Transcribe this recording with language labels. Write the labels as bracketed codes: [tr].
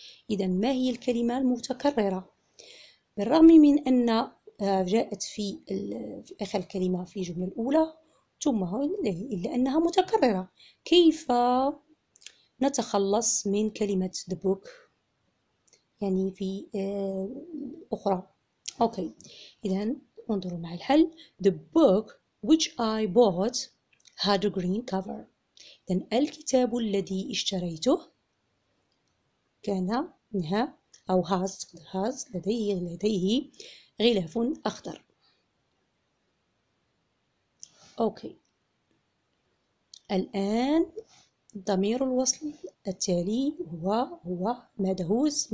[ar] إذن ما هي الكلمة المتكررة؟ بالرغم من أن جاءت في آخر الكلمة في الجملة الأولى ثم إلا أنها متكررة، كيف نتخلص من كلمة [en] the book [ar] يعني في أخرى؟ أوكي، إذن انظروا مع الحل. [en] The book which I bought had a green cover. [ar] إذن الكتاب الذي اشتريته كان أو [en] has [ar] لديه غلاف أخضر. أوكي، الآن ضمير الوصل التالي هو ماذا؟ هوز.